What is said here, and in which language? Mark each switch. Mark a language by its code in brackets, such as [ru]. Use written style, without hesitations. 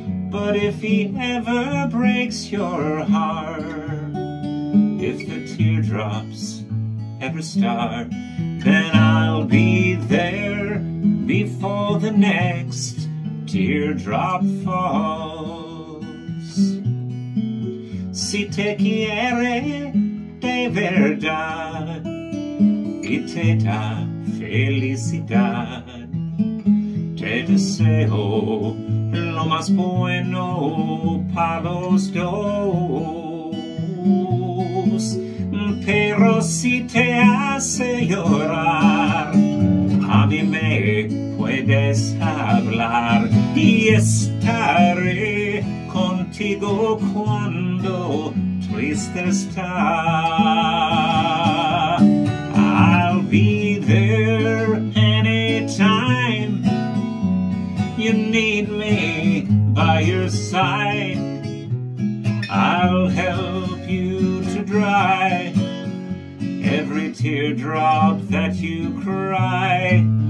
[en] But if he ever breaks your heart, if the teardrops ever start, then I'll be there before the next teardrop falls. [es] Si te quiere de verdad y te da felicidad, te deseo lo más bueno para los dos. Pero si te hace llorar, a mí me puedes hablar y estaré contigo cuando triste está. [en] I'll be there anytime you need me by your side. I'll help you to dry every teardrop that you cry.